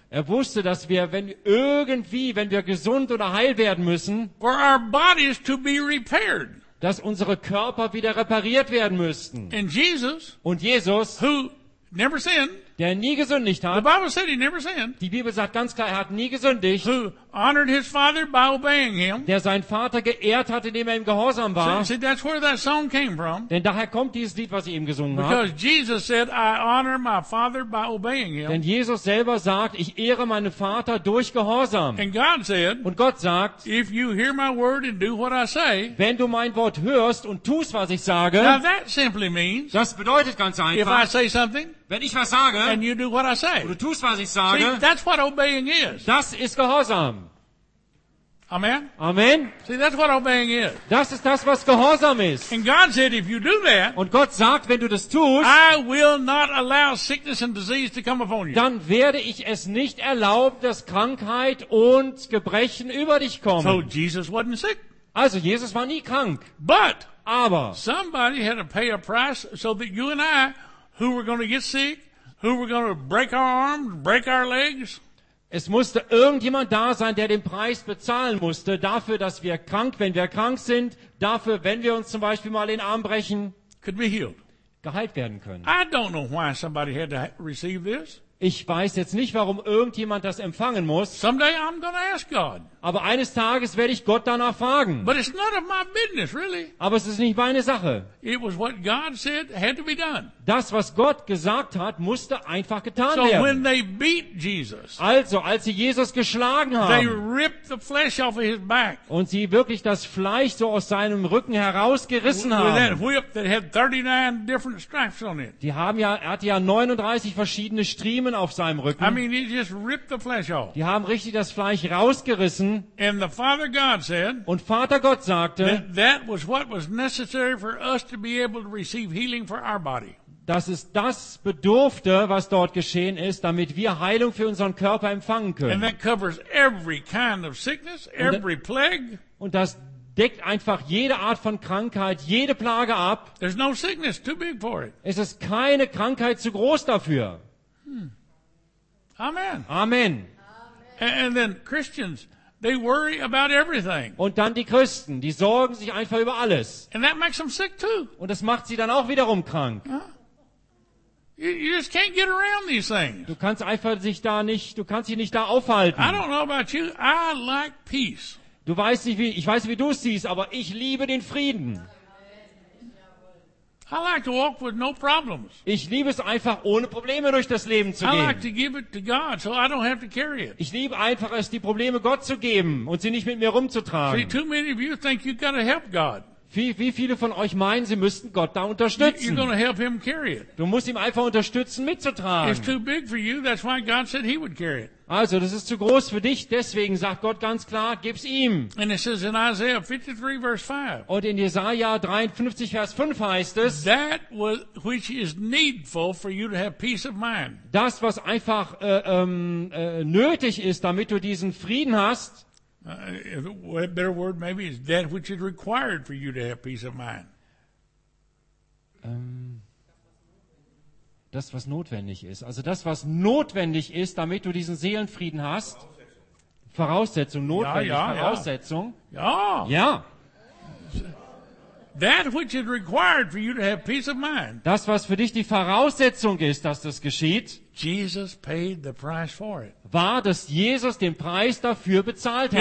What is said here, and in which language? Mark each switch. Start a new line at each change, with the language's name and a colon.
German: Er wusste, dass wir, wenn wir gesund oder heil werden müssen,
English: for our bodies to be repaired.
German: Dass unsere Körper wieder repariert werden müssten.
English: And Jesus,
German: und Jesus,
English: who never sinned,
German: der nie gesündigt hat,
English: the Bible said he never sinned,
German: die Bibel sagt ganz klar, er hat nie gesündigt,
English: who honored his father by obeying him,
German: der seinen Vater geehrt hat, indem er ihm gehorsam war.
English: So, see, that's where that song came from,
German: denn daher kommt dieses Lied, was ich ihm gesungen habe.
English: Because Jesus said, I honor my father by obeying him.
German: Denn Jesus selber sagt, ich ehre meinen Vater durch Gehorsam.
English: And God said,
German: und Gott sagt,
English: if you hear my word and do what I say,
German: wenn du mein Wort hörst und tust, was ich sage,
English: now that simply means,
German: das bedeutet ganz einfach,
English: if I say something,
German: wenn ich was sage,
English: and you do what I say.
German: Du tust, was ich sage.
English: See, that's what obeying is.
German: Das ist Gehorsam.
English: Amen.
German: Amen.
English: See, that's what obeying is.
German: Das ist das, was Gehorsam ist.
English: And God said, if you do that,
German: und Gott sagt, wenn du das tust,
English: I will not allow sickness and disease to come upon you.
German: Dann werde ich es nicht erlauben, dass Krankheit und Gebrechen über dich kommen.
English: So Jesus wasn't sick.
German: Also Jesus war nie krank.
English: But
German: aber
English: somebody had to pay a price so that you and I, who were going to get sick, who were going to break our arms, break our legs?
German: Es musste irgendjemand da sein, der den Preis bezahlen musste, dafür, dass wir krank, wenn wir krank sind, dafür, wenn wir uns zum Beispiel mal den Arm brechen,
English: could be healed.
German: Geheilt werden können.
English: I don't know why somebody had to receive this.
German: Ich weiß jetzt nicht, warum irgendjemand das empfangen muss.
English: Someday I'm gonna ask God.
German: Aber eines Tages werde ich Gott danach fragen.
English: But it's none of my business, really.
German: Aber es ist nicht meine Sache.
English: It was what God said had to be done.
German: Das, was Gott gesagt hat, musste einfach getan
English: so
German: werden.
English: When they beat Jesus,
German: also, als sie Jesus geschlagen haben,
English: they ripped the flesh off of his back,
German: und sie wirklich das Fleisch so aus seinem Rücken herausgerissen haben,
English: that whip that had 39 different stripes on it.
German: Er hatte ja 39 verschiedene Striemen Riemen auf seinem Rücken.
English: I mean, he just ripped the flesh off.
German: Die haben richtig das Fleisch rausgerissen.
English: And the Father God said,
German: und Vater Gott sagte,
English: that was what was necessary for us to be able to receive healing for our body.
German: Dass es das bedurfte, was dort geschehen ist, damit wir Heilung für unseren Körper empfangen können.
English: And that covers every kind of sickness, every plague.
German: Und das deckt einfach jede Art von Krankheit, jede Plage ab.
English: There's no sickness too big for it.
German: Es ist keine Krankheit zu groß dafür.
English: Amen.
German: Amen.
English: And then Christians, they worry about everything.
German: Und dann die Christen, die sorgen sich einfach über alles.
English: And that makes them sick too.
German: Und das macht sie dann auch wiederum krank.
English: You just can't get around these things.
German: Du kannst einfach dich da nicht, du kannst dich nicht da aufhalten.
English: I don't know about you, I like peace.
German: Du weißt nicht, wie, ich weiß nicht, wie du es siehst, aber ich liebe den Frieden.
English: I like to walk with no problems.
German: Ich liebe es einfach, ohne Probleme durch das Leben zu gehen.
English: I like to give it to God, so I don't have to carry it.
German: Ich liebe einfach es, die Probleme Gott zu geben und sie nicht mit mir rumzutragen.
English: See, too many of you think you've got to help God.
German: Wie viele von euch meinen, sie müssten Gott da unterstützen?
English: You're gonna help him carry it.
German: Du musst ihm einfach unterstützen, mitzutragen.
English: It's too big for you, that's why God said he would carry it.
German: Also, das ist zu groß für dich, deswegen sagt Gott ganz klar, gib's ihm.
English: And it says in Isaiah 53, verse 5,
German: und in Jesaja 53, Vers 5 heißt es,
English: that which is needful for you to have peace of mind.
German: Das, was einfach nötig ist, damit du diesen Frieden hast,
English: a better word maybe is that which is required for you to have peace of mind.
German: Das, was notwendig ist. Also das, was notwendig ist, damit du diesen Seelenfrieden hast. Voraussetzung. Notwendig. Ja, ja, Voraussetzung. Ja. Ja.
English: That which is required for you to have peace of mind.
German: Das, was für dich die Voraussetzung ist, dass das geschieht.
English: Jesus paid the price for it.
German: War, dass Jesus den Preis dafür bezahlt hat.